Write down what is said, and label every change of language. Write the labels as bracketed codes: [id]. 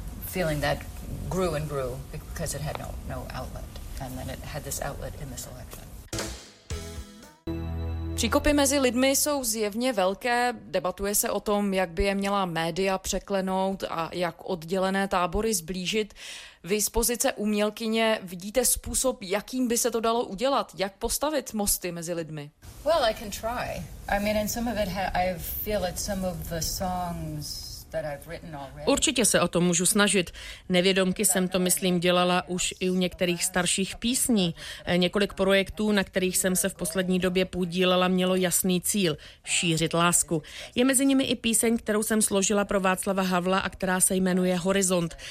[en] Feeling that grew and grew because it had no outlet and then it had this outlet in this election. [cs] Příkopy mezi lidmi jsou zjevně velké, debatuje se o tom, jak by je měla média překlenout a jak oddělené tábory zblížit. Vy z pozice umělkyně vidíte způsob, jakým by se to dalo udělat, jak postavit mosty mezi lidmi? [en] Well, I can try. I mean, and some of it I feel that some of the songs [cs] Určitě se o to můžu snažit. Nevědomky jsem to, myslím, dělala už i u některých starších písní. Několik projektů, na kterých jsem se v poslední době podílela, mělo jasný cíl – šířit lásku. Je mezi nimi i píseň, kterou jsem složila pro Václava Havla a která se jmenuje Horizont.